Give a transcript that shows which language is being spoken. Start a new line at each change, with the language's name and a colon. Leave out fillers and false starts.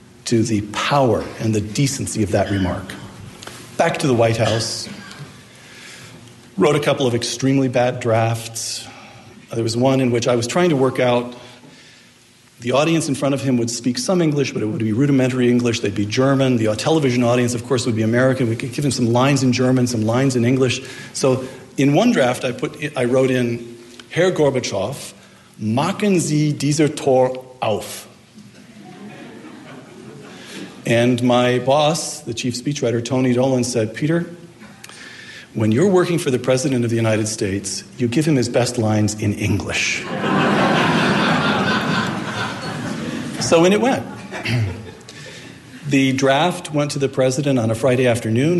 English: to the power and the decency of that remark. Back to the White House. Wrote a couple of extremely bad drafts. There was one in which I was trying to work out. The audience in front of him would speak some English, but it would be rudimentary English. They'd be German. The television audience, of course, would be American. We could give him some lines in German, some lines in English. So in one draft, I wrote in,
German: Herr Gorbachev, machen Sie dieser Tor auf.
English: And my boss, the chief speechwriter, Tony Dolan, said, Peter, when you're working for the President of the United States, you give him his best lines in English. So in it went. The draft went to the President on a Friday afternoon.